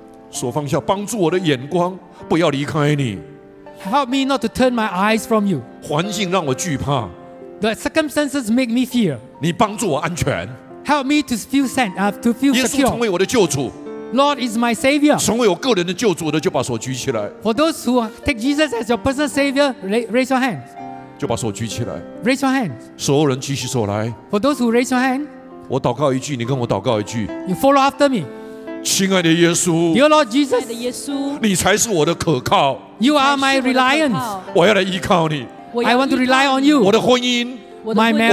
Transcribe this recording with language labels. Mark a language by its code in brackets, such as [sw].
[zh] 所放下帮助我的眼光不要离开你。 [en] Help me not to turn my eyes from you. [zh] 环境让我惧怕。 [en] The circumstances make me fear. [zh] 你帮助我安全。 [en] Help me to feel safe. To feel secure. [zh] 耶稣成为我的救主。 [en] Lord is my savior. [zh] 成为我个人的救主的就把手举起来。 [en] For those who take Jesus as your personal savior, raise your hands. [zh] 就把手举起来。 [en] Raise your hands. [zh] 所有人举起手来。 [en] For those who raise your hand. [zh] 我祷告一句，你跟我祷告一句。 [en] You follow after me. [zh] 亲爱的耶稣 [en] Dear Lord Jesus, [zh] 亲爱的耶稣，你才是我的可靠。 [en] You are my reliance. [zh] 我要来依靠你。 [en] I want to rely on you. [zh] 我的婚姻 [en] my marriage,